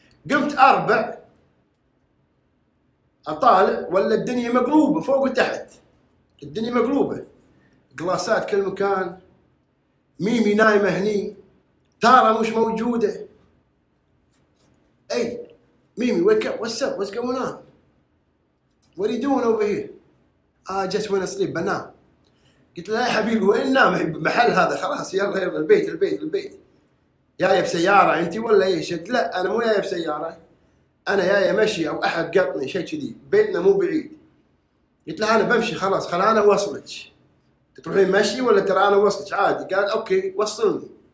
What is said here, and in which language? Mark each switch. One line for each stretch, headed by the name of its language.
Arabic: قمت 4 أطالع ولا الدنيا مقلوبة فوق وتحت، الدنيا مقلوبة، جلاسات كل مكان، ميمي نايمة هني، تارا مش موجودة.
English: أي ميمي wake up what's up what's going on what are you doing over here I just went to sleep but now.
Arabic: قلت لها يا حبيبي وين نام محل هذا خلاص يلا يلا البيت البيت البيت. جاية بسيارة انتي ولا ايش؟ قلت لا انا مو جاية بسيارة، انا جاية مشي او احد قطني شيء كذي، بيتنا مو بعيد. قلت لها انا بمشي خلاص خلاص انا وصلك. تروحين مشي ولا ترى انا وصلك عادي؟ قال اوكي وصلني.